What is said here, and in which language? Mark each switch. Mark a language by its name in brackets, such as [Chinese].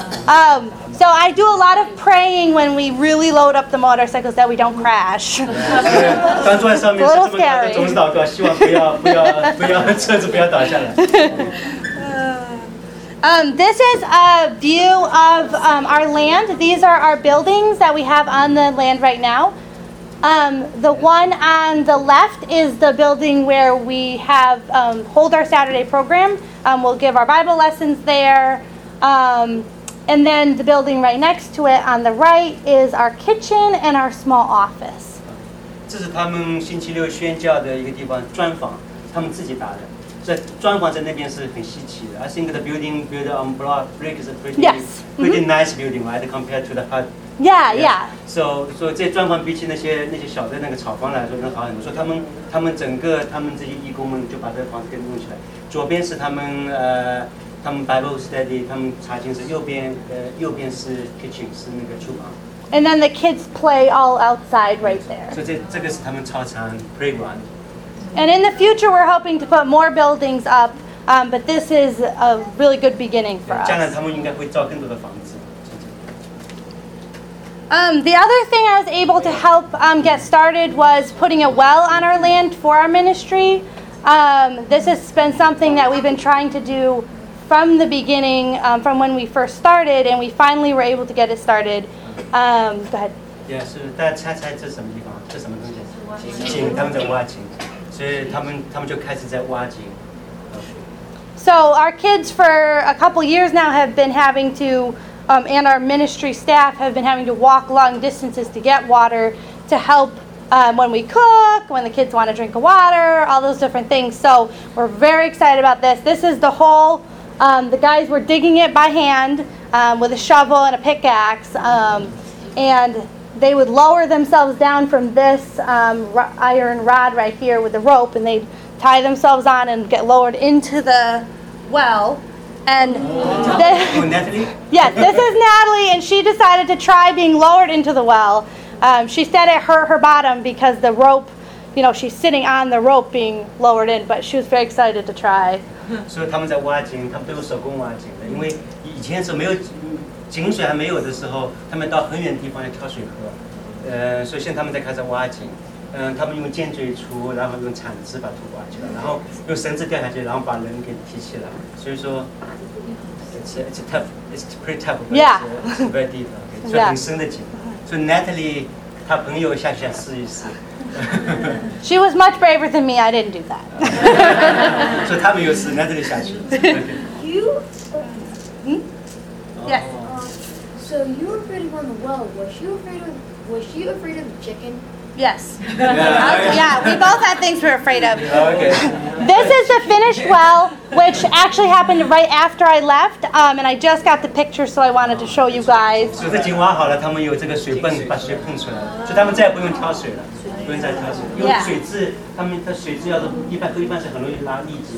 [English] So I do a lot of praying when we really load up the motorcycles that we don't crash. It's a little scary. [Chinese] 当坐在上面是这么高的中岛哥，希望不要车子不要倒下来。 [English] This is a view of our land. These are our buildings that we have on the land right now. The one on the left is the building where we have hold our Saturday program. We'll give our Bible lessons there. And then the building right next to it on the right is our kitchen and our small office. [Chinese] 这是他们星期六宣教的一个地方，砖房，他们自己打的。这砖房在那边是很稀奇的。 [English] I think the building built on brick is a pretty, yes. pretty nice building, right, compared to the hut. Yeah. So [Chinese] 这砖房比起那些小的那个草房来说，能好很多。所以他们整个他们这些义工们就把这房子给弄起来。左边是他们 [English] Bible study， [Chinese] 他们查经是右边是 [English] kitchen， [Chinese] 是那个厨房。 [English] And then the kids play all outside right there. [Chinese] 所以这个是他们操场 playground。 [English] And in the future, we're hoping to put more buildings up, but this is a really good beginning for us. [Chinese] 将来他们应该会造更多的房子。 [English] The other thing I was able to help get started was putting a well on our land for our ministry. This has been something that we've been trying to do from the beginning, from when we first started, and we finally were able to get it started. Go ahead. Yes, but [Chinese] 猜猜这什么地方？这什么东西？井，他们在挖井，所以他们就开始在挖井。 [English] So our kids for a couple years now have been having to. And our ministry staff have been having to walk long distances to get water to help when we cook, when the kids want to drink water, all those different things. So we're very excited about this. This is the hole. The guys were digging it by hand with a shovel and a pickaxe. And they would lower themselves down from this iron rod right here with the rope, and they'd tie themselves on and get lowered into the well. And Natalie? Yes, this is Natalie, and she decided to try being lowered into the well. She said it hurt her bottom because the rope, you know, she's sitting on the rope being lowered in, but she was very excited to try. So they're digging, they're doing hand digging, because before there was no water, when they were digging, they went to a very far place to get water to drink. So now they're starting to dig. [Chinese] 他们用尖嘴锄，然后用铲子把土挖起来，然后用绳子掉下去，然后把人给提起来。所以说 ， [English] it's tough, it's pretty tough, but it's very deep, okay, [Chinese] 所以很深的井。所以 Natalie 她朋友下去想试一试。 [English] She was much braver than me. I didn't do that. [Chinese] 所以他们有试 ，Natalie 下去了。 [English] You, Yes. So you were afraid of the well. Was she afraid of the chicken? Yes. Yeah, we both had things we were afraid of. Oh, okay. This is the finished well, which actually happened right after I left, and I just got the picture, so I wanted to show you guys. So the [Chinese] 井挖好了，他们有这个水泵把水碰出来，所以他们再也不用挑水了，不用再挑水，因为水质，他们它水质要是一般喝一般是很容易拉痢疾。